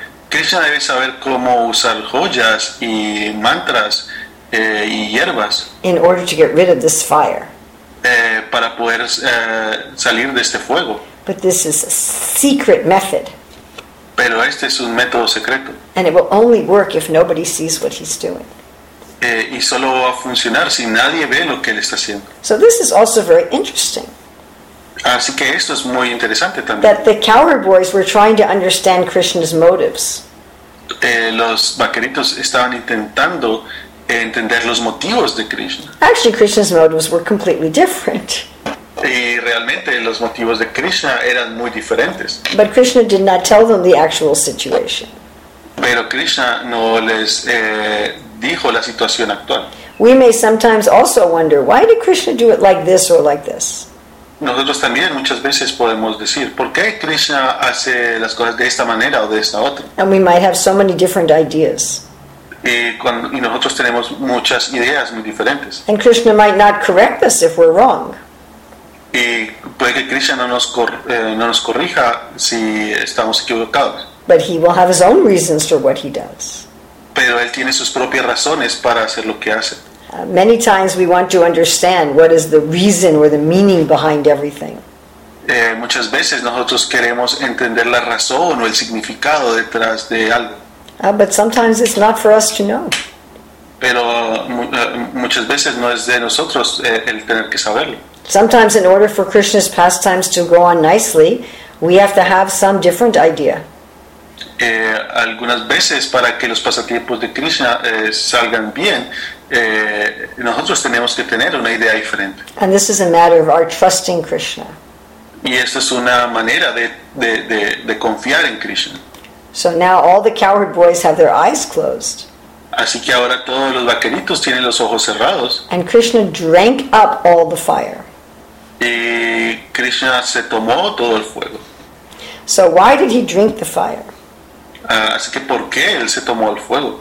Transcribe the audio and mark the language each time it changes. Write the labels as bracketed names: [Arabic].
[Spanish] Krishna debe saber cómo usar joyas y mantras y hierbas. [English] In order to get rid of this fire. [Spanish] Para poder salir de este fuego. [English] But this is a secret method. [Spanish] Pero este es un método secreto. [English] And it will only work if nobody sees what he's doing. [Spanish] Y solo va a funcionar si nadie ve lo que él está haciendo. [English] So this is also very interesting. [Spanish] Así que esto es muy interesante también. [English] That the cowherd boys were trying to understand Krishna's motives. [Spanish] Los vaqueritos estaban intentando entender los motivos de Krishna. [English] Actually, Krishna's motives were completely different. [Spanish] Y realmente los motivos de Krishna eran muy diferentes. [English] But Krishna did not tell them the actual situation. [Spanish] Pero Krishna no les dijo la situación actual. [English] We may sometimes also wonder, why did Krishna do it like this or like this? [Spanish] Nosotros también muchas veces podemos decir, ¿por qué Krishna hace las cosas de esta manera o de esta otra? [English] And we might have so many different ideas. [Spanish] Y nosotros tenemos muchas ideas muy diferentes. [English] And Krishna might not correct us if we're wrong. [Spanish] Y puede que Krishna no nos corrija si estamos equivocados. [English] But he will have his own reasons for what he does. [Spanish] Pero él tiene sus propias razones para hacer lo que hace. [English] Many times we want to understand what is the reason or the meaning behind everything. [Spanish] Muchas veces nosotros queremos entender la razón o el significado detrás de algo. [English] Ah, but sometimes it's not for us to know. [Spanish] Pero muchas veces no es de nosotros el tener que saberlo. [English] Sometimes in order for Krishna's pastimes to go on nicely, we have to have some different idea. [Spanish] Algunas veces para que los pasatiempos de Krishna salgan bien, nosotros tenemos que tener una idea diferente. [English] And this is a matter of our trusting Krishna. [Spanish] Y esta es una manera de confiar en Krishna. [English] So now all the cowherd boys have their eyes closed. [Spanish] Así que ahora todos los vaqueritos tienen los ojos cerrados. [English] And Krishna drank up all the fire. [Spanish] Y Krishna se tomó todo el fuego. [English] So why did he drink the fire? [Spanish] Así que ¿por qué él se tomó el fuego?